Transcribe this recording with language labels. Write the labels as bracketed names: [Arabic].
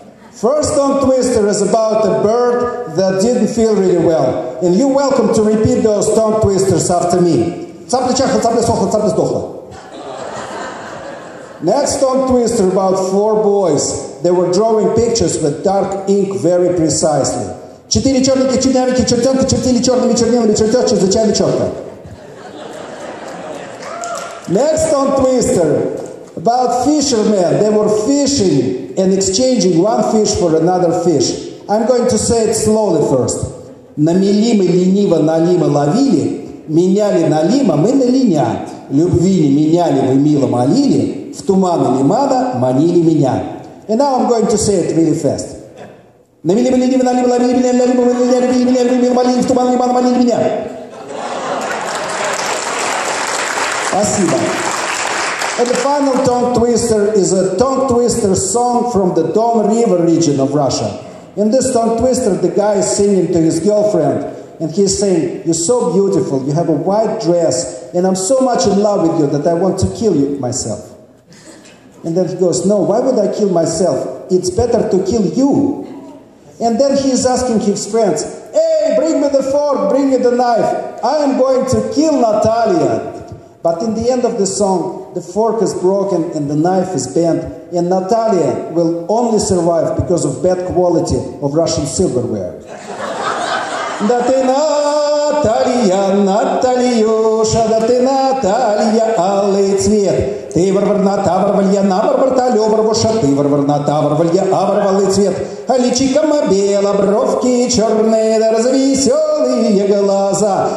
[English] First tongue twister is about a bird that didn't feel really well. And you're welcome to repeat those tongue twisters after me. Next tongue twister about four boys. They were drawing pictures with dark ink very precisely. [Russian] Четыре черненькие, черненькие, чертенки, чертили черными чернилами, чертежки, зачем черта? [English] Next tongue twister about fishermen. They were fishing and exchanging one fish for another fish. I'm going to say it slowly first. [Russian] На мели мы лениво на лима ловили, меняли на лима мы на линя. Любви не меняли, вы мило молили, в туманы лимана манили меня. [English] And now I'm going to say it really fast. [Russian] На мели мы лениво на лима ловили, меняли на лима мы на линя, любви не меняли, вы мило молили, в туманы лимана манили меня. Спасибо. [English] And the final tongue twister is a tongue twister song from the Don River region of Russia. In this tongue twister, the guy is singing to his girlfriend, and he's saying, "You're so beautiful, you have a white dress, and I'm so much in love with you that I want to kill you myself." And then he goes, "No, why would I kill myself? It's better to kill you." And then he's asking his friends, "Hey, bring me the fork, bring me the knife. I am going to kill Natalia." But in the end of the song, the fork is broken and the knife is bent, and Natalia will only survive because of bad quality of Russian silverware. [Russian] Да ты Наталья, Натальюша, да ты Наталья, алый цвет. Ты варварна, таварвалья, наварвар, талёварвуша, ты варварна, таварвалья, аварвалый цвет. А личиком обела, бровки чёрные, да развесёлые глаза.